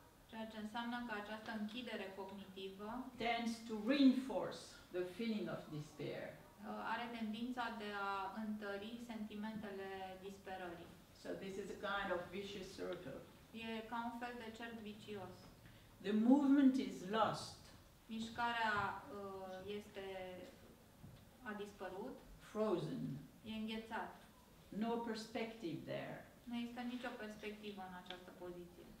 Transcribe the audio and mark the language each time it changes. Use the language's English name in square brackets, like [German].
[Romanian] ceea ce înseamnă că această închidere cognitivă, [English] tends to reinforce the feeling of despair. [Romanian] Are tendința de a întări sentimentele disperării. [English] So this is a kind of vicious circle. [Romanian] E ca un fel de cerc vicios. [English] The movement is lost. [Romanian] Mișcarea este a dispărut. [English] Frozen. [Romanian] E înghețat. [English] No perspective there. [Romanian] Nu există nicio perspectivă în această poziție.